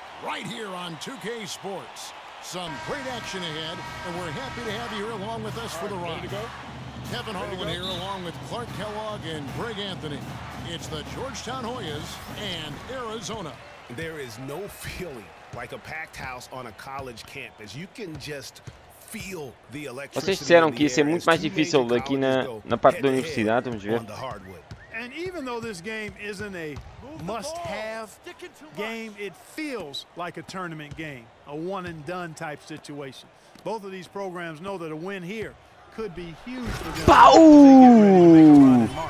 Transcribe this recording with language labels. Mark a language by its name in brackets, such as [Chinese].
[English] Right here on 2K Sports. Some great action ahead, and we're happy to have you here along with us for the ride. Kevin Harlan here along with Clark Kellogg and Greg Anthony. It's the Georgetown Hoyas and Arizona. There is no feeling like a packed house on a college campus. You can just feel the electricity. [Portuguese] Vocês disseram que ia ser muito mais difícil aqui na parte da universidade, vamos ver. [English] And even though this game isn't a must-have game, it feels like a tournament game, a one-and-done type situation. Both of these programs know that a win here could be huge for them.